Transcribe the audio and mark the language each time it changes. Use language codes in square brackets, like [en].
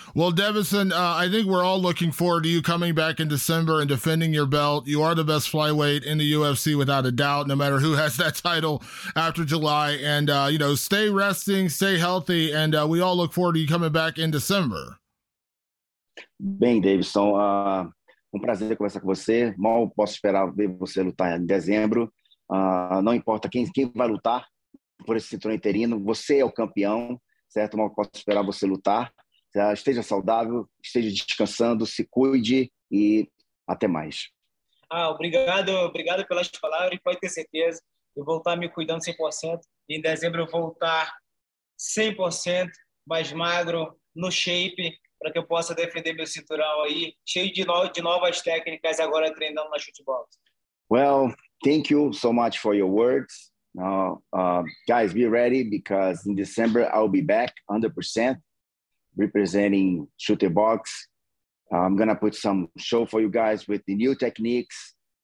[en] Well, Deiveson, I think we're all looking forward to you coming back in December and defending your belt. You are the best flyweight in the UFC without a doubt, no matter who has that title after July. And, you know, stay resting, stay healthy, and we all look forward to you coming back in December. [pt] Bem, Deiveson, um prazer conversar com você. Mal posso esperar ver você lutar em dezembro. Não importa quem vai lutar por esse cinturão interino, você é o campeão, certo? Mal posso esperar você lutar. Esteja saudável, esteja descansando, se cuide e até mais. Ah, obrigado pelas palavras, pode ter certeza. Eu vou estar me cuidando 100%. E em dezembro eu vou estar 100% mais magro, no shape, para que eu possa defender meu cinturão aí, cheio de novas técnicas agora treinando na Shootbox. [en] Well, thank you so much for your words. Now, guys, be ready because in December I'll be back 100% representing Shootbox. I'm going to put some show for you guys with the new techniques.